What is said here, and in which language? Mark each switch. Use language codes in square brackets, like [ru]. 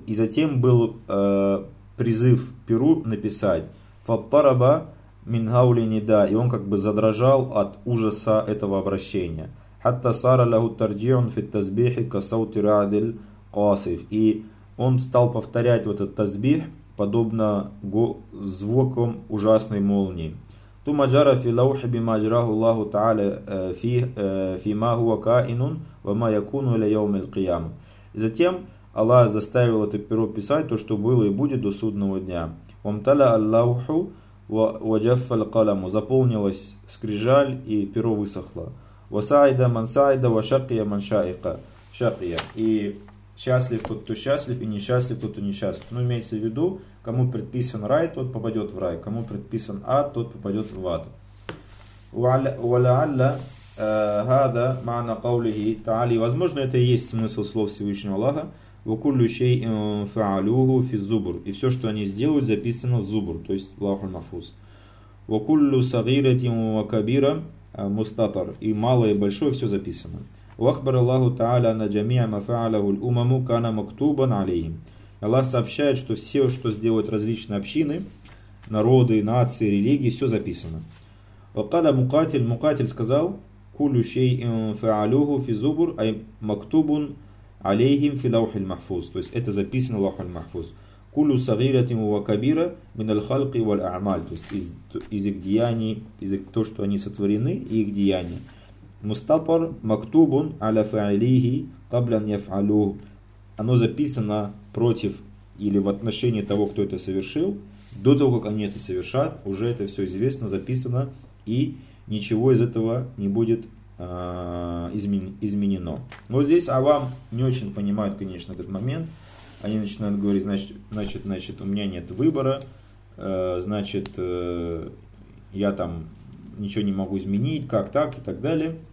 [ru] И затем был призыв перу написать. [ar] فاضطرب من هول نداء. [ru] И он как бы задрожал от ужаса этого обращения. [ar] حتى صار له ترجيع في التسبيح كصوت رعد القاصف. [ru] И он стал повторять вот этот тасбих подобно звукам ужасной молнии. [ar] ثم جرى في لوح بما جراه الله تعالى في ما هو كائن وما يكون إلى يوم القيامة. [ru] Затем Аллах заставил это перо писать то, что было и будет до судного дня. [ar] وامتلأ اللوح وجف القلم. [ru] Заполнилась скрижаль и перо высохло. [ar] وصعد من صعد وشقي من شائق شقي. [ru] И счастлив тот, кто счастлив, и несчастлив тот, кто несчастлив. Но имеется в виду, кому предписан рай, тот попадет в рай, кому предписан ад, тот попадет в ад. [ar] ولعل هذا معنى قوله تعالى. [ru] Возможно, это и есть смысл слов Всевышнего Аллаха. [ar] وكل شيء فعلوه في الزبر. [ru] И все, что они сделают, записано в зубр, то есть в лаху аль-махфуз. [ar] وكل صغيرة وكبيرة مستطر. [ru] И малое, и большое, все записано. [ar] وأخبر الله تعالى أن جميع ما فعله الأمم كان مكتوبا عليهم. [ru] Аллах сообщает, что все, что сделают различные общины, народы, нации, религии, все записано. [ar] وقال مقاتل, مقاتل [ru] сказал, [ar] كل شيء فعلوه في زبر, أي مكتوب عليهم في لوح المحفوظ. [ru] То есть это записано в лаху аль-махфуз. [ar] كل صغيرة وكبيرة من الخلق والأعمال. [ru] То есть из их деяний, из их то, что они сотворены, и их деяния. [ar] مستطر مكتوب على فعليه قبل أن يفعلوه. [ru] Оно записано против или в отношении того, кто это совершил, до того, как они это совершат, уже это все известно, записано, и ничего из этого не будет изменено. Но вот здесь авам не очень понимают, конечно, этот момент. Они начинают говорить, значит, у меня нет выбора, значит, я там ничего не могу изменить, как так и так далее.